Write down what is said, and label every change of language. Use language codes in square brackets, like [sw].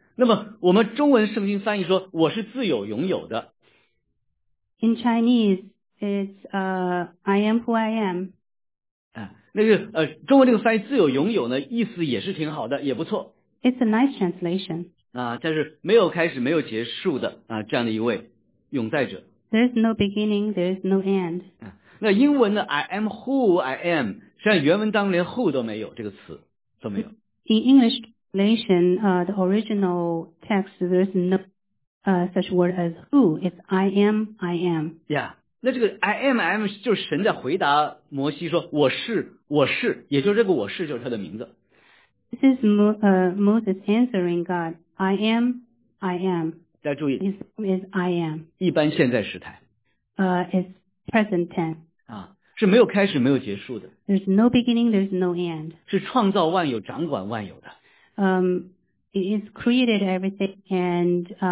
[zh] 那么我们中文圣经翻译说我是自有拥有的。 [en] In Chinese, it's, I am who I am. [zh] 那个中文这个翻译自有拥有呢，意思也是挺好的，也不错。 [en] It's a nice translation. [zh] 但是没有开始没有结束的这样的一位永在者。 [en] There's no beginning, there's no end. [zh] 那英文的 [en] I am who I am, [zh] 像原文当中连 who 都没有，这个词都没有。 [en] In English translation, the original text, there's no, such word as who. It's I am, I am. Yeah. [zh] 那这个 [en] I am, I am [zh] 就是神在回答摩西说我是，我是，也就是这个我是就是他的名字。 [en] This is Moses answering God. I am, I am. [zh] 大家注意。 [en] His name is I am. [zh] 一般现在时态。 [en] It's present tense. [zh] 是没有开始没有结束的。 [en] There's no beginning, there's no end. [zh] 是创造万有掌管万有的。 [en] It's created everything and,